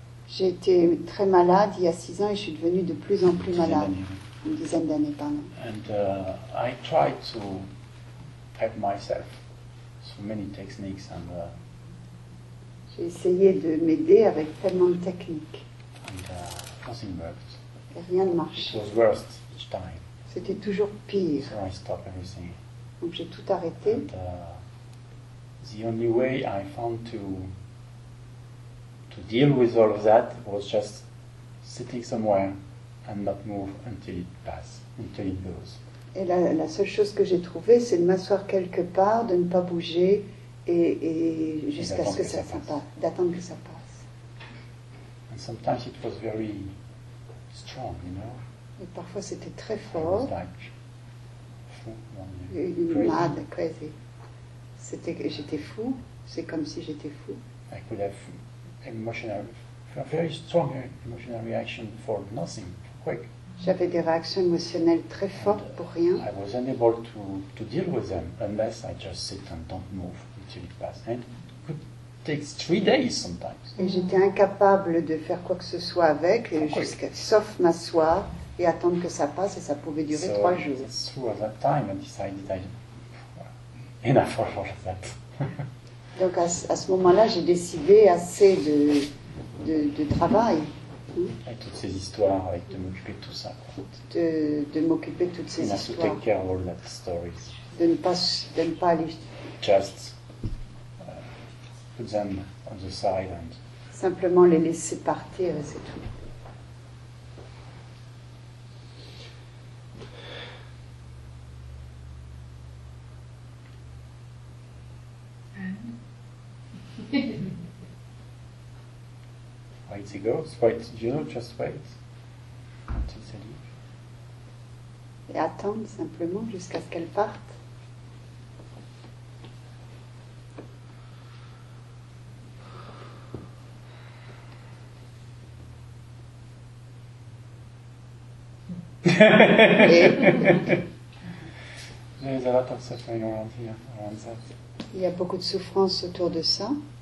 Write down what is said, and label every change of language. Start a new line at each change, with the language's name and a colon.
French: J'ai été très malade il y a 6 ans et je suis devenue de plus en plus malade. Une dizaine d'années, pardon.
English: And I tried to help myself through many techniques and
French: j'ai essayé de m'aider avec tellement de techniques.
English: And nothing worked.
French: Et rien ne marchait.
English: It was worse each time.
French: C'était toujours pire.
English: So I stopped everything.
French: Donc j'ai tout arrêté.
English: And the only way I found to deal with all of that was just sitting somewhere and not move until it passes, until it goes.
French: Et la seule chose que j'ai trouvée, c'est de m'asseoir quelque part, de ne pas bouger, et jusqu'à ce que ça passe, d'attendre que ça passe.
English: And sometimes it was very strong, you know.
French: Et parfois c'était très fort.
English: It was like fou, mad, crazy.
French: J'étais fou. C'est comme si j'étais fou.
English: I could have emotional, very strong emotional reaction for nothing, quick.
French: J'avais des réactions émotionnelles très fortes pour rien.
English: I was unable to deal with them unless I just sit and don't move until it passes. And it could take 3 days sometimes.
French: Et j'étais incapable de faire quoi que ce soit avec, sauf m'asseoir et attendre que ça passe, et ça pouvait durer 3 jours.
English: So through that time, I decided I enough for that.
French: Donc à ce moment-là, j'ai décidé assez de travail. Et toutes ces histoires, avec de m'occuper de tout ça. De m'occuper de toutes ces histoires.
English: To take care of all that stories.
French: De ne pas aller.
English: Just put them on the side and.
French: Simplement les laisser partir, et c'est tout.
English: Wait, he goes. Wait, you know, just wait until they leave.
French: Et attendre simplement jusqu'à ce qu'elle parte.
English: There's a lot of suffering around here, around that.
French: Il y a beaucoup de souffrance autour de ça.